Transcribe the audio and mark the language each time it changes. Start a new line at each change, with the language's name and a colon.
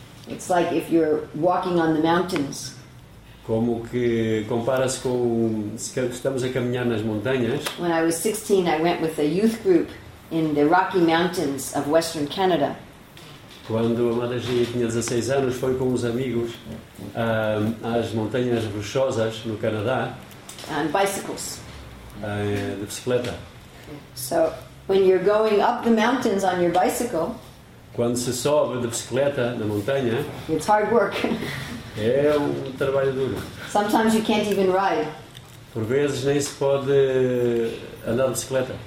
English: It's like if you're walking on the mountains.
Portuguese: Como que compara-se com se estamos a caminhar nas montanhas.
English: When I was 16, I went with a youth group in the Rocky Mountains of Western Canada.
Portuguese: Quando a Madagi tinha 16 anos, foi com os amigos às montanhas rochosas no Canadá.
English: And bicycles.
Portuguese: De bicicleta.
English: So, when you're going up the mountains on your bicycle.
Portuguese: Quando se sobe de bicicleta na montanha.
English: It's hard work.
Portuguese: É trabalho duro.
English: Sometimes you can't even ride.
Portuguese: Por vezes nem se pode andar de bicicleta.